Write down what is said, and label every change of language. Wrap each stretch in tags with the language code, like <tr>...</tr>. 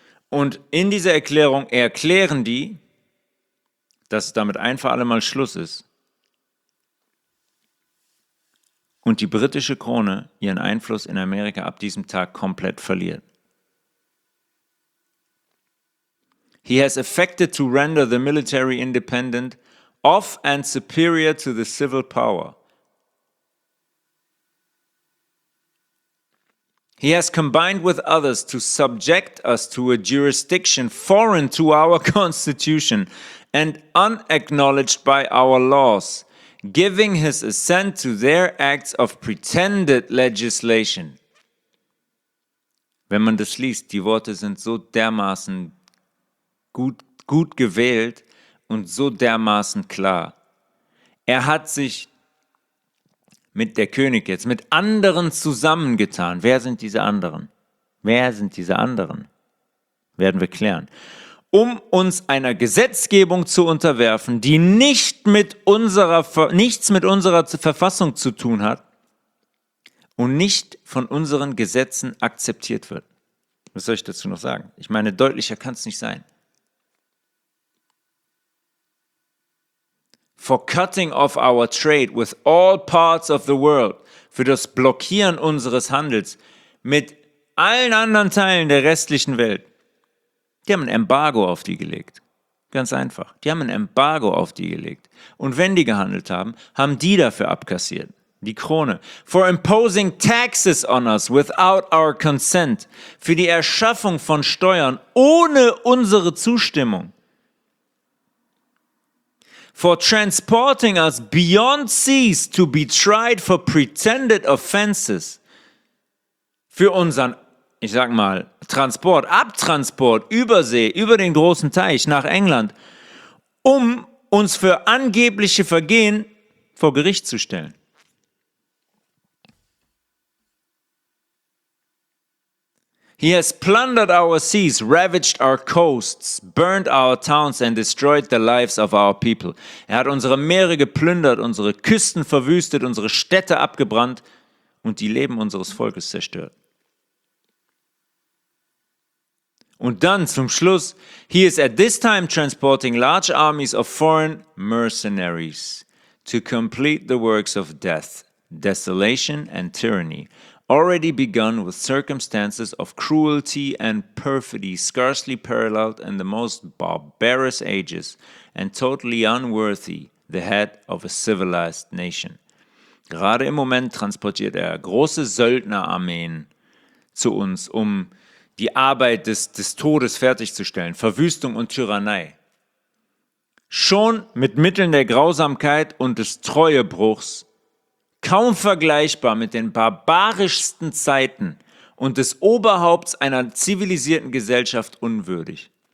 <de>Und in dieser Erklärung erklären die, dass damit ein für alle Mal Schluss ist und die britische Krone ihren Einfluss in Amerika ab diesem Tag komplett verliert.</de> <en>He has affected to render the military independent of and superior to the civil power. He has combined with others to subject us to a jurisdiction foreign to our constitution and unacknowledged by our laws, giving his assent to their acts of pretended legislation.</en> <de>Wenn man das liest, die Worte sind so dermaßen gut gewählt und so dermaßen klar. Er hat sich mit der König jetzt, mit anderen zusammengetan. Wer sind diese anderen? Wer sind diese anderen? Werden wir klären. Um uns einer Gesetzgebung zu unterwerfen, die nichts mit unserer Verfassung zu tun hat und nicht von unseren Gesetzen akzeptiert wird. Was soll ich dazu noch sagen? Ich meine, deutlicher kann es nicht sein.</de> <en>For cutting off our trade with all parts of the world,</en> <de>für das Blockieren unseres Handels mit allen anderen Teilen der restlichen Welt. Die haben ein Embargo auf die gelegt. Ganz einfach. Die haben ein Embargo auf die gelegt. Und wenn die gehandelt haben, haben die dafür abkassiert. Die Krone.</de> <en>For imposing taxes on us without our consent.</en> <de>Für die Erschaffung von Steuern ohne unsere Zustimmung.</de> <en>For transporting us beyond seas to be tried for pretended offenses.</en> <de>Für unseren, ich sag mal, Abtransport, über See, über den großen Teich nach England, um uns für angebliche Vergehen vor Gericht zu stellen.</de> <en>He has plundered our seas, ravaged our coasts, burned our towns and destroyed the lives of our people.</en> <de>Er hat unsere Meere geplündert, unsere Küsten verwüstet, unsere Städte abgebrannt und die Leben unseres Volkes zerstört. Und dann zum Schluss,</de> <en>he is at this time transporting large armies of foreign mercenaries to complete the works of death, desolation and tyranny, already begun with circumstances of cruelty and perfidy scarcely paralleled in the most barbarous ages and totally unworthy the head of a civilized nation.</en> <de>Gerade im Moment transportiert er große Söldnerarmeen zu uns, um die Arbeit des Todes fertigzustellen, Verwüstung und Tyrannei. Schon mit Mitteln der Grausamkeit und des Treuebruchs, kaum vergleichbar mit den barbarischsten Zeiten und des Oberhaupts einer zivilisierten Gesellschaft unwürdig.</de>